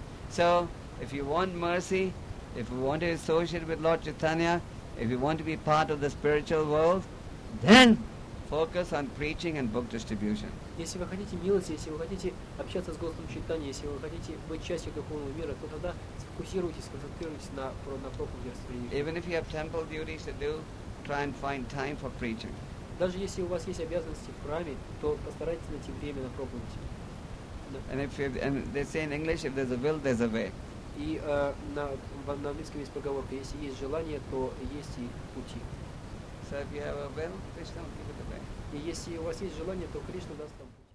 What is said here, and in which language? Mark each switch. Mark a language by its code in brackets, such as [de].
[en] So, if you want mercy, if you want to associate with Lord Chaitanya, if you want to be part of the spiritual world, then focus on preaching and book distribution. [ru] Если вы хотите милости, если вы хотите общаться с Господом Чайтани, если вы хотите быть частью духовного мира, то тогда сфокусируйтесь, сконцентрируйтесь на проповеди распространения. [en] Even if you have temple duties to do, try and find time for preaching. [ru] Даже если у вас есть обязанности в храме, то постарайтесь найти время на проповедь. [en] And if you, and they say in English, if there's a will, there's a way. [ru] И на английском есть поговорка: если есть желание, то есть и пути. [en] So if you have a will, Krishna will give it away. [ru] И если у вас есть желание, то Кришна даст вам.